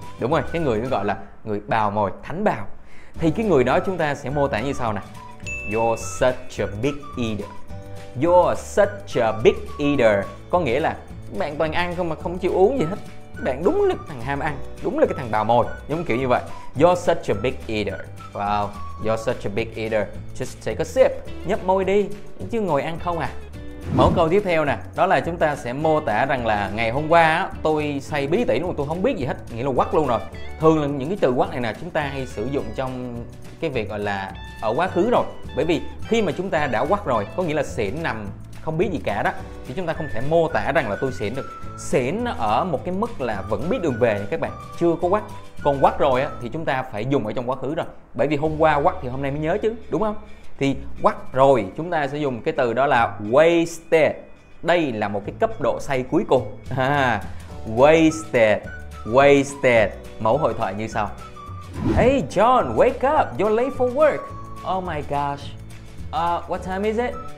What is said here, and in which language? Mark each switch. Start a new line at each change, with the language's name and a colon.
Vietnamese: Đúng rồi, cái người nó gọi là người bào mồi, thánh bào. Thì cái người đó chúng ta sẽ mô tả như sau nè.
English: You're such a big eater. You're such a big eater.
Vietnamese: Có nghĩa là bạn toàn ăn không mà không chịu uống gì hết. Bạn đúng là thằng ham ăn, đúng là cái thằng bào mồi, giống kiểu như vậy.
English: You're such a big eater. Wow, you're such a big eater. Just take a sip,
Vietnamese: nhấp môi đi, chứ ngồi ăn không à. Mẫu câu tiếp theo nè, đó là chúng ta sẽ mô tả rằng là ngày hôm qua tôi say bí tỉ luôn, tôi không biết gì hết, nghĩa là quắc luôn rồi. Thường là những cái từ quắc này nè, chúng ta hay sử dụng trong cái việc gọi là ở quá khứ rồi. Bởi vì khi mà chúng ta đã quắc rồi, có nghĩa là xỉn nằm không biết gì cả đó, thì chúng ta không thể mô tả rằng là tôi xỉn được. Xỉn nó ở một cái mức là vẫn biết đường về nha các bạn, chưa có quắc. Còn quắc rồi á thì chúng ta phải dùng ở trong quá khứ rồi. Bởi vì hôm qua quắc thì hôm nay mới nhớ chứ, đúng không? Thì quắc rồi chúng ta sẽ dùng cái từ đó là wasted. Đây là một cái cấp độ say cuối cùng. Wasted, wasted. Mẫu hội thoại như sau.
English: Hey John, wake up, you're late for work. Oh my gosh, what time is it?